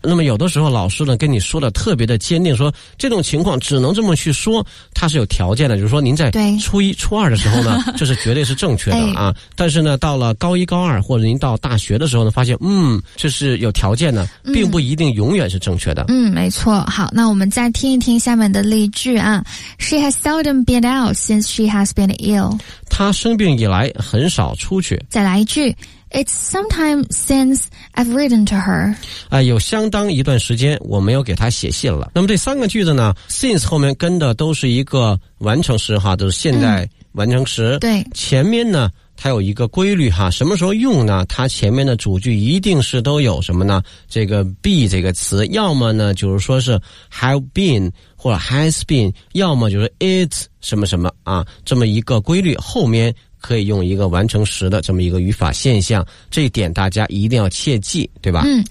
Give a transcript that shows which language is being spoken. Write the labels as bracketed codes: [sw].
[zh] 那么有的时候老师呢跟你说的特别的坚定，说这种情况只能这么去说，它是有条件的，就是说您在初一初二的时候呢这是绝对是正确的啊。但是呢到了高一高二或者您到大学的时候呢发现这是有条件的，并不一定永远是正确的。没错。好，那我们再听一听下面的例句啊。 [en] She has seldom been out since she has been ill， [zh] 她生病以来很少出去。再来一句， [en] It's sometime since I've written to her， [zh] 有相当一段时间我没有给她写信了。那么这三个句子呢 since 后面跟的都是一个完成时哈，就是现在完成时。对，前面呢它有一个规律哈，什么时候用呢，它前面的主句一定是都有什么呢，这个 be 这个词，要么呢就是说是 have been 或者 has been， 要么就是 it 什么什么啊，这么一个规律，后面可以用一个完成时的这么一个语法现象，这一点大家一定要切记，对吧。